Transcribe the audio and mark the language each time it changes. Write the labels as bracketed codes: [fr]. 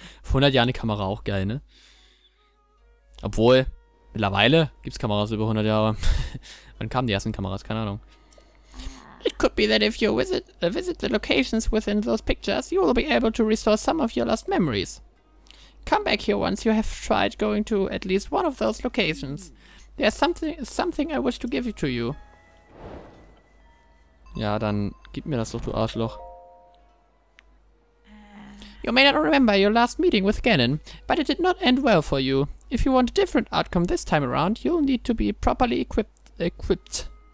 [de] Vor 100 Jahren eine Kamera, auch geil, ne? Obwohl, mittlerweile gibt's Kameras über 100 Jahre. Wann kamen die ersten Kameras? Keine Ahnung. [en] It could be that if you visit the locations within those pictures, you will be able to restore some of your lost memories. Come back here once you have tried going to at least one of those locations. There's something I wish to give to you. [de] Ja, dann gib mir das doch, du Arschloch. [en] You may not remember your last meeting with Ganon, but it did not end well for you. If you want a different outcome this time around, you'll need to be properly equipped.